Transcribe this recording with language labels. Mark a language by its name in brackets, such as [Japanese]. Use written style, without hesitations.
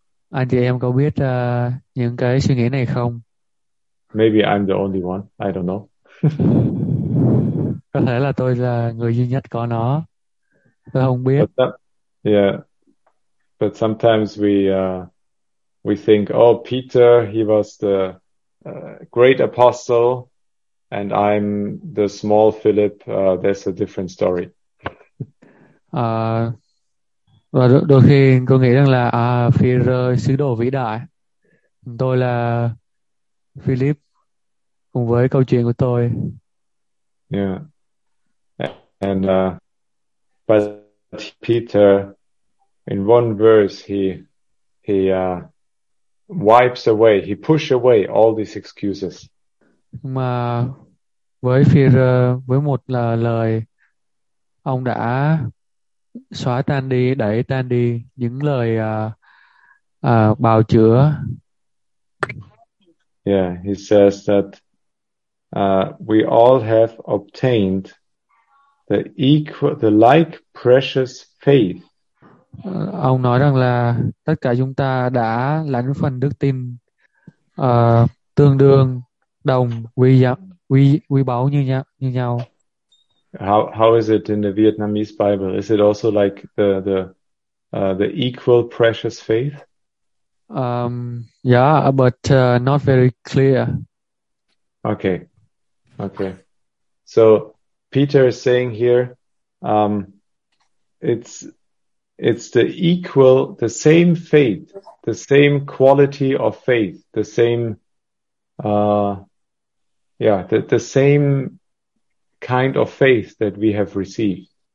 [Vietnamese] Anh chị em có biết những cái suy nghĩ này không? [English] Maybe I'm the only one. I don't know. [Vietnamese] Có thể là tôi là người duy nhất có nó. Tôi không biết. [English] But that, yeah. But sometimes we think, oh, Peter, he was the great apostle, and I'm the small Philip. There's a different story. [Vietnamese] Và đôi khi tôi nghĩ rằng là Phi-rơ sứ đồ vĩ đại, tôi là Philip cùng với câu chuyện của tôi. [English] Yeah, and but Peter, in one verse, he wipes away, he push away all these excuses. [Vietnamese] Mà với Phi-rơ, với một là lời, ông đã xóa tan đi, đẩy tan đi những lời bào chữa. [English] Yeah, he says that we all have obtained the like precious faith. [Vietnamese] Ông nói rằng là tất cả chúng ta đã lãnh phần đức tin tương đương đồng quý báu như nhau. [English] How is it in the Vietnamese Bible? Is it also like the equal precious faith? Yeah, but not very clear. Okay. So Peter is saying here, it's the equal, the same faith, the same quality of faith, the same, the same kind of faith that we have received.